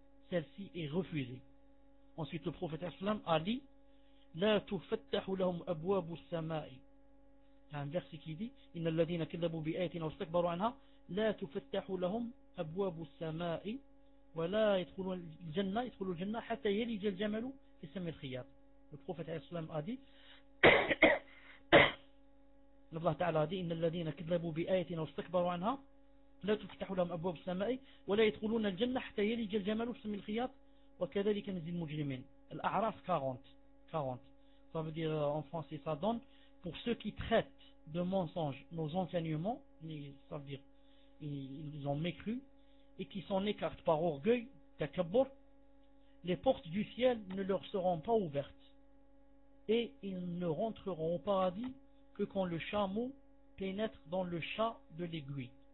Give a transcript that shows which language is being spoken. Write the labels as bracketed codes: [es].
[fr] Celle-ci est refusée. Ensuite, le prophète Islam a dit, [ar] لا تفتح لهم أبواب السماء. [fr] Un verset qui dit, [ar] إن الذين كذبوا بآياتنا واستكبروا عنها لا تفتح لهم أبواب السماء ولا يدخلون الجنة يدخلون الجنة حتى يلج الجمل في سم الخياط. [fr] Le prophète Islam a dit, [ar] الله تعالى a dit, إن الذين كذبوا بآياتنا واستكبروا عنها لا تفتح لهم أبواب السماء ولا يدخلون الجنة حتى يلج الجمل في سم الخياط وكذلك نزل المجرمين. الأعراف 40. [fr] Ça veut dire en français, ça donne pour ceux qui traitent de mensonges nos enseignements, ça veut dire ils ont mécru et qui s'en écartent par orgueil, takabbur, les portes du ciel ne leur seront pas ouvertes et ils ne rentreront au paradis que quand le chameau pénètre dans le chat de l'aiguille.